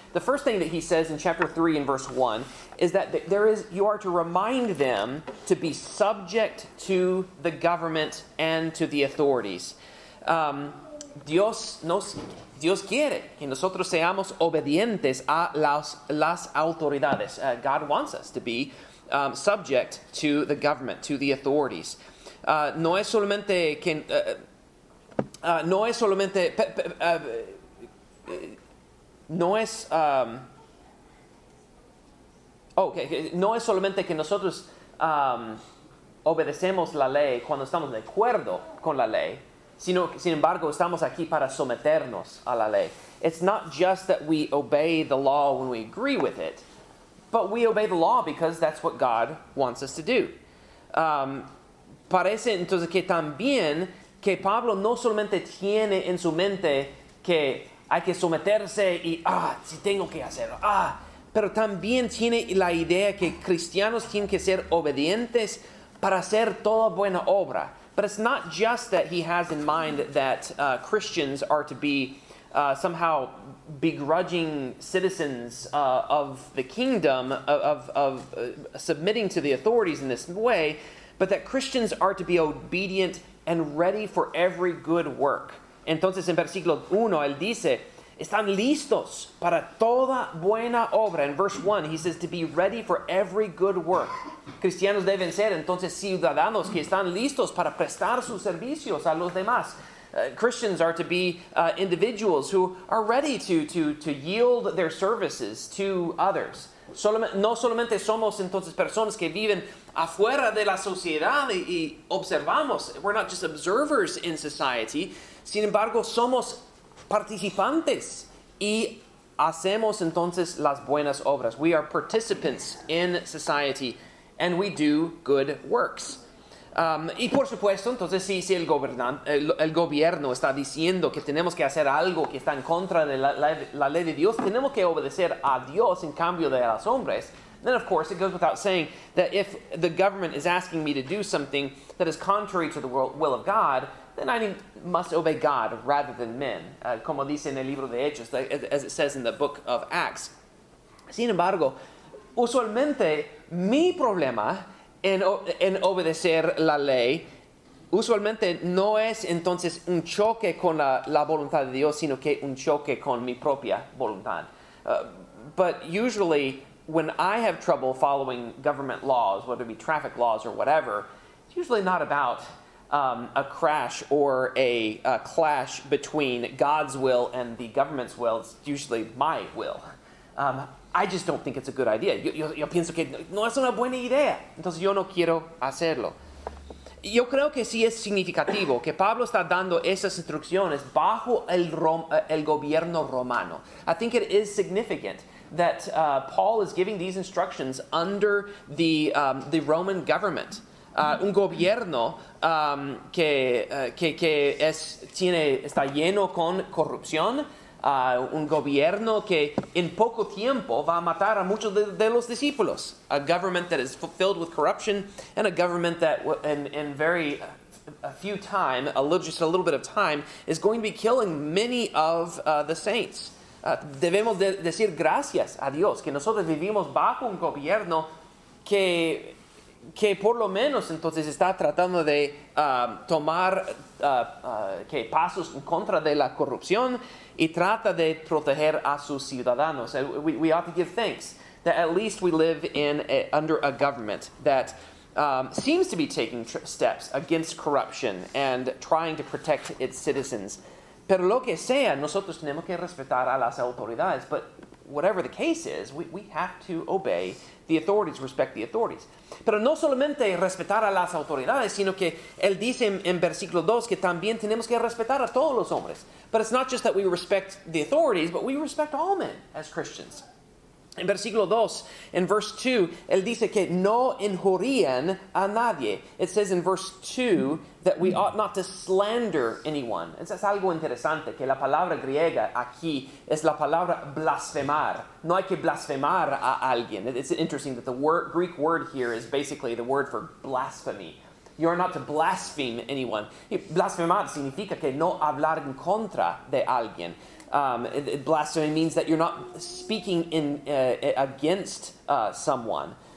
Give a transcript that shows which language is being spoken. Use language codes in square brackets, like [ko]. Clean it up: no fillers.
[en] The first thing that he says in chapter 3 in verse 1 is that there is you are to remind them to be subject to the government and to the authorities. [es] Dios quiere que nosotros seamos obedientes a las autoridades. [en] God wants us to be subject to the government, to the authorities. [es] No es solamente que nosotros obedecemos la ley cuando estamos de acuerdo con la ley, sino que, sin embargo, estamos aquí para someternos a la ley. [en] It's not just that we obey the law when we agree with it, but we obey the law because that's what God wants us to do. [es] Parece entonces que también que Pablo no solamente tiene en su mente que hay que someterse y, si tengo que hacerlo, pero también tiene la idea que cristianos tienen que ser obedientes para hacer toda buena obra. [en] But it's not just that he has in mind that Christians are to be somehow begrudging citizens of the kingdom, of submitting to the authorities in this way, but that Christians are to be obedient and ready for every good work. [es] Entonces, en versículo 1, él dice, están listos para toda buena obra. [en] In verse 1, he says, to be ready for every good work. [es] Cristianos deben ser, entonces, ciudadanos que están listos para prestar sus servicios a los demás. [en] Christians are to be individuals who are ready to yield their services to others. [es] No solamente somos, entonces, personas que viven afuera de la sociedad y observamos. [en] We're not just observers in society. [es] Sin embargo, somos participantes y hacemos entonces las buenas obras. [en] We are participants in society and we do good works. [es] Y por supuesto, entonces si el gobierno está diciendo que tenemos que hacer algo que está en contra de la ley de Dios, tenemos que obedecer a Dios en cambio de a los hombres. [en] Then of course it goes without saying that if the government is asking me to do something that is contrary to the will of God, then I must obey God rather than men, [es] como dice en el libro de Hechos, [en] as it says in the book of Acts. [es] Sin embargo, usualmente mi problema en obedecer la ley, usualmente no es entonces un choque con la voluntad de Dios, sino que un choque con mi propia voluntad. [en] But usually, when I have trouble following government laws, whether it be traffic laws or whatever, it's usually not about a crash or a clash between God's will and the government's will. It's usually my will. I just don't think it's a good idea. [es] Yo pienso que no es una buena idea. Entonces yo no quiero hacerlo. Yo creo que sí es significativo que Pablo está dando esas instrucciones bajo el gobierno romano. [en] I think it is significant that Paul is giving these instructions under the Roman government. [es] Un gobierno está lleno con corrupción, un gobierno que en poco tiempo va a matar a muchos de los discípulos. [en] A government that is filled with corruption and a government that a little bit of time is going to be killing many of the saints. [es] Debemos decir gracias a Dios que nosotros vivimos bajo un gobierno que por lo menos entonces está tratando de tomar pasos en contra de la corrupción y trata de proteger a sus ciudadanos. [en] We ought to give thanks that at least we live under a government that seems to be taking steps against corruption and trying to protect its citizens. [es] Pero lo que sea, nosotros tenemos que respetar a las autoridades. [en] But whatever the case is, we have to obey the authorities, respect the authorities. [es] Pero no solamente respetar a las autoridades, sino que él dice en versículo 2 que también tenemos que respetar a todos los hombres. [en] But it's not just that we respect the authorities, but we respect all men as Christians. [es] En versículo 2, en [en] verse 2, [es] él dice que no injurien a nadie. [en] It says in verse 2 that we ought not to slander anyone. [es] Eso es algo interesante, que la palabra griega aquí es la palabra blasfemar. No hay que blasfemar a alguien. [en] It's interesting that the word, Greek word here is basically the word for blasphemy. You are not to blaspheme anyone. [es] Y blasfemar significa que no hablar en contra de alguien. [en] Blasphemy means that you're not speaking in against someone.